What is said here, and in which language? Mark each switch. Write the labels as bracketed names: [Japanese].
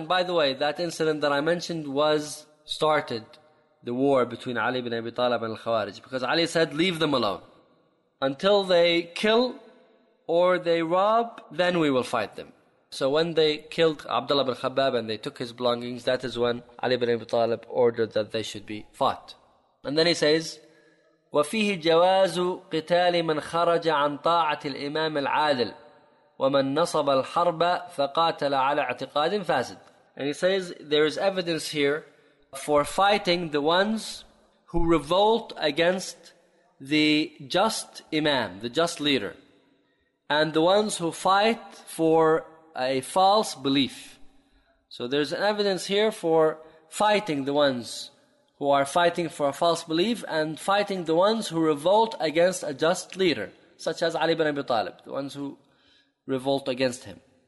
[English] And by the way, that incident that I mentioned started the war between Ali ibn Abi Talib and Al-Khawarij. Because Ali said, leave them alone. Until they kill or they rob, then we will fight them. So when they killed Abdullah ibn Khabbab and they took his belongings, that is when Ali ibn Abi Talib ordered that they should be fought. And then he says, [Arabic] وَفِيهِ جَوَازُ قِتَالِ مَنْ خَرَجَ عَنْ طَاعَةِ الْإِمَامِ الْعَادِلِ وَمَنْ نَصَبَ الْحَرْبَ فَقَاتَلَ عَلَى اعْتِقَادٍ فَاسِدٍ. [English] And he says, there is evidence here for fighting the ones who revolt against the just imam, the just leader, and the ones who fight for a false belief. So there's an evidence here for fighting the ones who are fighting for a false belief and fighting the ones who revolt against a just leader, such as Ali ibn Abi Talib, the ones who revolt against him.